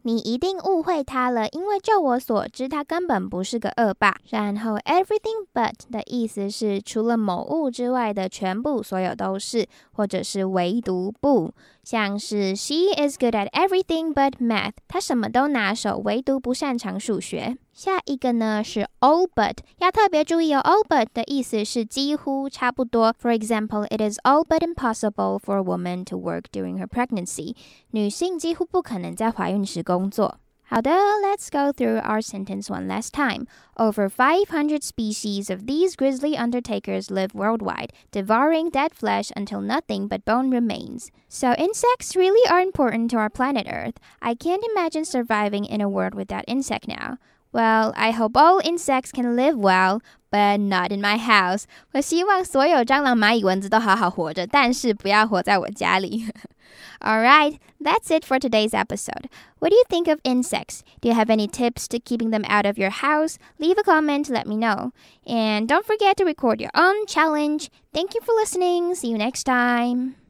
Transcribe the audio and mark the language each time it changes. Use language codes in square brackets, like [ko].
[zh] 你一定误会他了，因为就我所知，他根本不是个恶霸。然后 everything but 的意思是除了某物之外的全部、所有都是，或者是唯独不。像是 [en] she is good at everything but math， [zh] 她什么都拿手，唯独不擅长数学。下一个呢是 all but， 要特别注意哦， all but 的意思是几乎、差不多。 [en] For example, it is all but impossible for a woman to work during her pregnancy， [zh] 女性几乎不可能在怀孕时工作。好的， [en] let's go through our sentence one last time. Over 500 species of these grisly undertakers live worldwide, devouring dead flesh until nothing but bone remains. So insects really are important to our planet Earth. I can't imagine surviving in a world without insect now. Well, I hope all insects can live well, but not in my house. [zh] 我希望所有蟑螂、蚂蚁、蚊子都好好活着，但是不要活在我家里。 [en] Alright, that's it for today's episode. What do you think of insects? Do you have any tips to keeping them out of your house? Leave a comment to let me know. And don't forget to record your own challenge. Thank you for listening. See you next time.